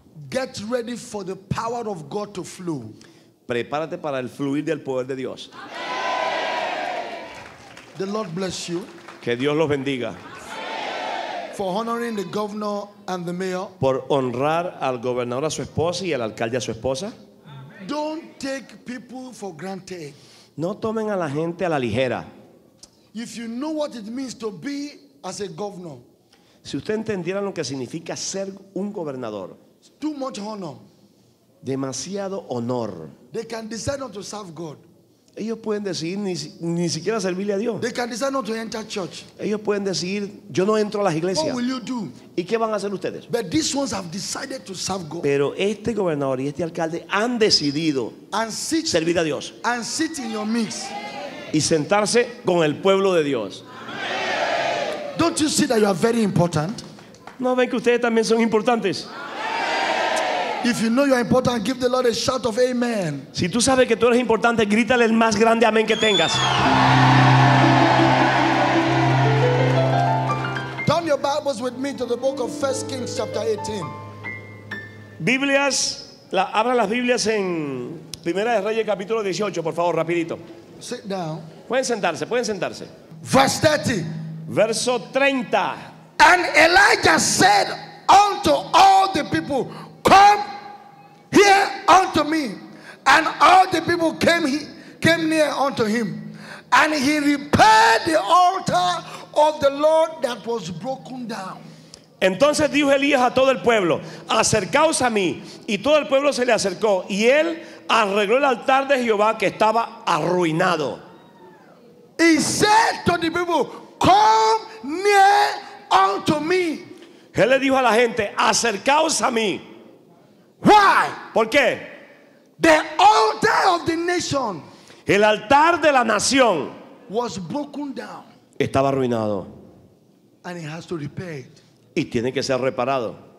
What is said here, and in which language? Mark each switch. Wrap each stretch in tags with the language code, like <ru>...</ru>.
<en>Get ready for the power of God to flow.</en> <es>Prepárate para el fluir del poder de Dios.</es> <en>Amen. The Lord bless you.</en> <es>Que Dios los bendiga.</es> <en>Amen. For honoring the governor and the mayor.</en> <es>Por honrar al gobernador a su esposa y al alcalde a su esposa.</es> <en>Amen. Don't take people for granted.</en> <es>No tomen a la gente a la ligera.</es> <en>If you know what it means to be as a governor.</en> <es>Si usted entendiera lo que significa ser un gobernador.</es> <en>Too much honor.</en> <es>Demasiado honor.</es> <en>They can decide not to serve God.</en> <es>Ellos pueden decidir ni siquiera servirle a Dios.</es> <en>They can decide not to enter church.</en> <es>Ellos pueden decidir, yo no entro a las iglesias.</es> <en>What will you do?</en> <es>¿Y qué van a hacer ustedes?</es> <en>But these ones have decided to serve God.</en> <es>Pero este gobernador y este alcalde han decidido servir a Dios.</es> <en>And sit in your mix.</en> <es>Y sentarse con el pueblo de Dios.</es> <en>Amen. Don't you see that you are very important?</en> <es>¿No ven que ustedes también son importantes?</es> <en>If you know you are important, give the Lord a shout of amen.</en> <es>Si tú sabes que tú eres importante, grítale el más grande amén que tengas.</es> <en>Turn your Bibles with me to the book of 1 Kings chapter 18.</en> <es>Biblias, abra las Biblias en Primera de Reyes capítulo 18, por favor, rapidito.</es> <en>Sit down.</en> <es>Pueden sentarse.</es> <en>Verse 30.</en> <es>Verso 30.</es> <en>And Elijah said unto all the people, come here unto me. And all the people came near unto him. And he repaired the altar of the Lord that was broken down.</en> <es>Entonces dijo Elías a todo el pueblo, acercaos a mí. Y todo el pueblo se le acercó. Y él arregló el altar de Jehová que estaba arruinado.</es> <en>He said to the people, come near unto me.</en> <es>Él le dijo a la gente, acercaos a mí.</es> <en>Why?</en> <es>¿Por qué?</es> <en>The altar of the nation.</en> <es>El altar de la nación.</es> <en>Was broken down.</en> <es>Estaba arruinado.</es> <en>And it has to repair it.</en> <es>Y tiene que ser reparado.</es>